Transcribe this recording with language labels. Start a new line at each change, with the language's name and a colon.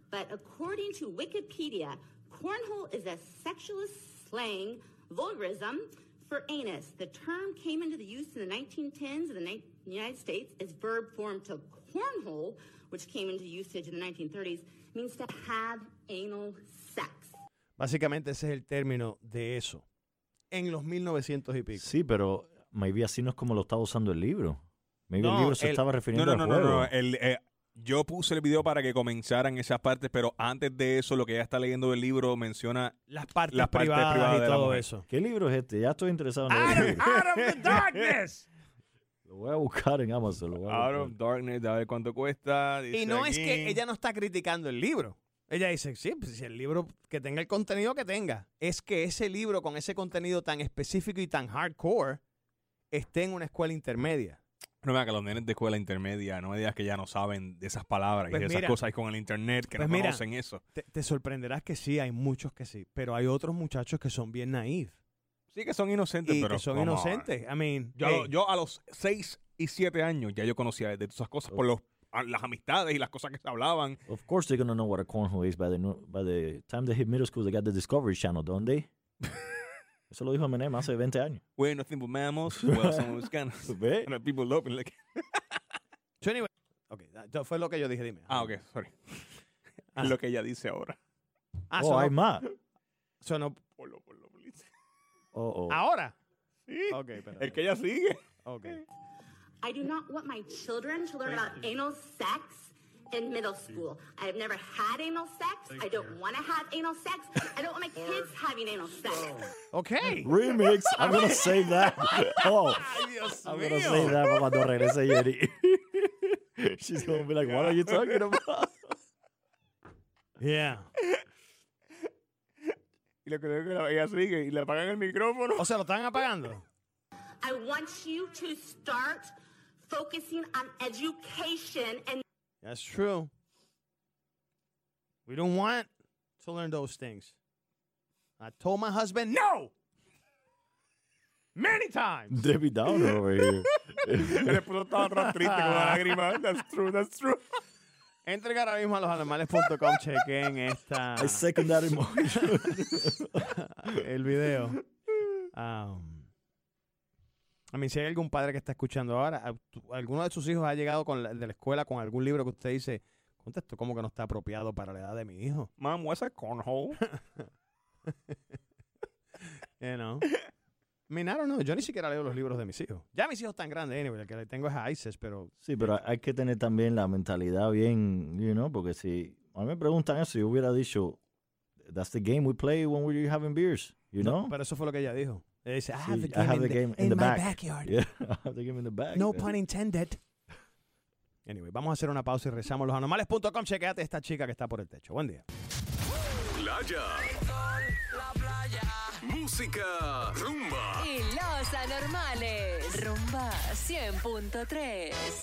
English: But according to Wikipedia, cornhole is a sexualist slang vulgarism for anus. The term came into the use in the 1910s in the United States as verb form to cornhole, which came into usage in the 1930s, means to have anal sex.
Spanish: Básicamente ese es el término de eso. En los 1900 y pico. Sí, pero
English: maybe
Spanish: así no es como lo estaba usando el libro. Maybe no, el libro se estaba refiriendo no, no, al juego. No, no, no. Yo puse el video para que comenzaran esas partes, pero antes de eso, lo que ella está leyendo del libro menciona las partes privadas y todo eso. ¿Qué libro es este? Ya estoy interesado en el libro. Out of the Darkness. Lo voy a buscar en Amazon. Lo voy a
English: Out
Spanish: Of Darkness, a ver cuánto cuesta. Dice y no aquí. Es que ella no está criticando el libro. Ella dice, sí, pues el libro que tenga el contenido que tenga. Es que ese libro con ese contenido tan específico y tan hardcore esté en una escuela intermedia. No me digas que los nenes de escuela intermedia, no me digas que ya no saben de esas palabras pues y de mira, esas cosas con el internet, que pues mira, conocen eso. Te sorprenderás que sí, hay muchos que sí, pero hay otros muchachos que son bien
English: naive.
Spanish: Sí, que son inocentes, y pero... Y que son inocentes, on.
English: I mean...
Spanish: Yo a los 6 y 7 años ya yo conocía de esas cosas por las amistades y las cosas que se hablaban.
English: Of course they're going to know what a cornhole is by the time they hit middle school, they got the Discovery Channel, don't they?
Spanish: Eso lo dijo Eminem hace 20 años.
English: We're nothing but mammals. Well, someone was kind of... And the people loving like... So anyway... Okay, that
Spanish: fue lo que yo dije, dime. Ah, okay,
English: sorry.
Spanish: Lo que ella dice ahora. Ah, oh, hay más.
English: So no... Polo, please. Oh.
Spanish: ¿Ahora? Sí. Okay, pero... El que ella sigue.
English: Okay. I do not want my children to learn about anal sex in middle school. I have never had anal sex. I don't want to have anal sex. I don't want my kids having anal sex. Okay. Remix. I'm going to say that. Oh. I'm going to say that
Spanish: para cuando regrese Yeri.
English: She's going to be like, what are you talking about? Yeah.
Spanish: Y lo que digo es que ella sigue y le apagan el micrófono. O sea, lo están apagando.
English: I want you to start focusing on education and... That's true. We don't want to learn those things. I told my husband no! Many times! Debbie Downer over here.
Spanish: El esposo estaba tan triste con la lágrima.
English: That's true, that's true.
Spanish: Entrega ahora mismo a losanormales.com. Chequen esta. El
English: secondary motion.
Spanish: El video. A mí, si hay algún padre que está escuchando ahora, ¿alguno de sus hijos ha llegado de la escuela con algún libro que usted dice, contesto, ¿cómo que no está apropiado para la edad de mi hijo?
English: Mom, what's a cornhole? You know. I mean, I don't know.
Spanish: Yo ni siquiera leo los libros de mis hijos. Ya mis hijos están grandes,
English: anyway.
Spanish: El que le tengo es a ISIS, pero... Sí, pero hay que tener también la mentalidad bien,
English: you know,
Spanish: porque si... A mí me preguntan eso, yo hubiera dicho,
English: that's the game we play when we're having beers, you know?
Spanish: Pero eso fue lo que ella dijo. Dice,
English: I have the game in my backyard. Yeah, I have the game in the back. No pun intended. Anyway,
Spanish: vamos a hacer una pausa y rezamos losanormales.com. Chequéate esta chica que está por el techo. Buen día. Playa. La playa. Música. Rumba. Y los anormales. Rumba 100.3.